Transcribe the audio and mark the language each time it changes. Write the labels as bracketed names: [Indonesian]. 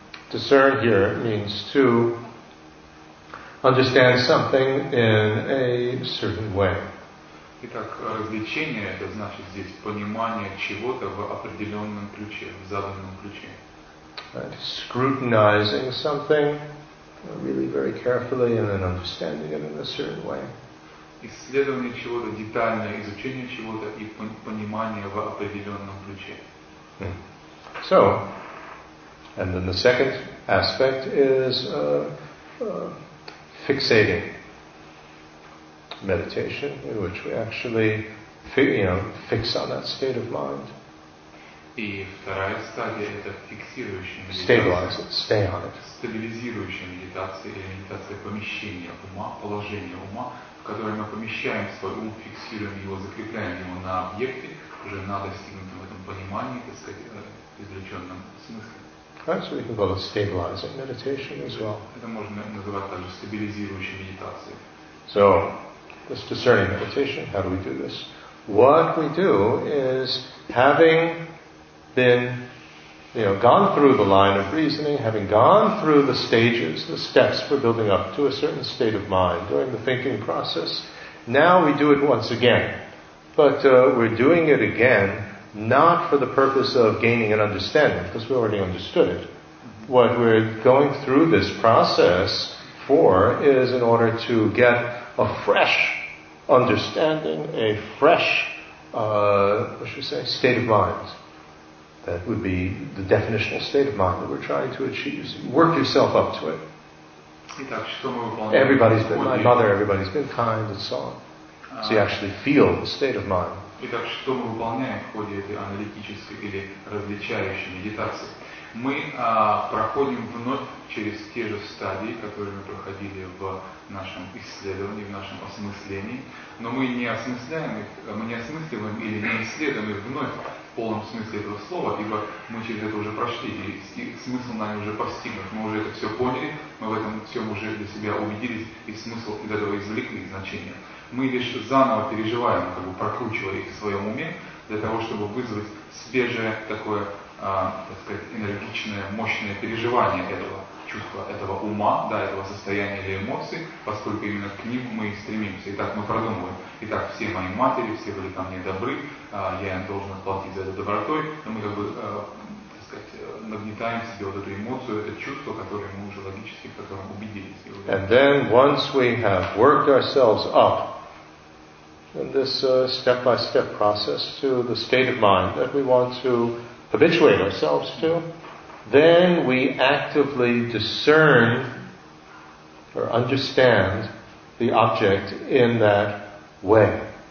[English] Discern here means to understand something in a certain way. [Russian] Итак, развлечение — это значит здесь понимание чего-то в определенном ключе, в заданном ключе. [English] Right. Scrutinizing something really very carefully and then understanding it in a certain way. [Russian] Исследование чего-то, детальное изучение чего-то и понимание в определенном ключе. [English] So, and then the second aspect is fixating meditation, in which we actually fix on that state of mind. [Russian] И вторая стадия — это фиксирующая медитация. [English] Stabilize it, stay on it. [Russian] Стабилизирующая медитация или медитация помещения ума, положения ума, в которое мы помещаем свой ум, фиксируем его, закрепляем его на объекте, уже на достигнутом этом понимании, так сказать, извлеченном смысле. [English] Right, so we can call it stabilizing meditation as well. [Russian] Это можно называть также стабилизирующей медитацией. [English] So, this discerning meditation, how do we do this? What we do is having been, gone through the line of reasoning, having gone through the stages, the steps for building up to a certain state of mind during the thinking process, now we do it once again. But we're doing it again not for the purpose of gaining an understanding, because we already understood it. What we're going through this process for is in order to get a fresh understanding, a fresh, state of mind. That would be the definitional state of mind that we're trying to achieve. Work yourself up to it. [Russian] Итак, что мы выполняем? [English] Everybody's been my mother, everybody's been kind, and so on. So you actually feel the state of mind. [Russian] Итак, что мы выполняем в ходе этой аналитической или различающей медитации? Мы проходим вновь через те же стадии, которые мы проходили в нашем исследовании, в нашем осмыслении, но мы не осмысляем их, мы не осмысливаем или не исследуем их вновь в полном смысле этого слова, ибо мы через это уже прошли, и смысл нами уже постигнут. Мы уже это все поняли, мы в этом всем уже для себя убедились, и смысл из этого извлекли, значение. Мы лишь заново переживаем, как бы прокручивая их в своем уме, для того, чтобы вызвать свежее такое, так сказать, энергичное, мощное переживание этого чувства, этого ума, да, этого состояния или эмоций, поскольку именно к ним мы и стремимся. Итак, мы продумываем. Итак, все мои матери, все были ко мне добры, я им должен платить за это добротой, но мы как бы, так сказать, нагнетаем в себе вот эту эмоцию, это чувство, которое мы уже логически, в котором убедились. И [English] And then, once we have worked ourselves up, in this step-by-step process to the state of mind that we want to habituate ourselves to, then we actively discern or understand the object in that way.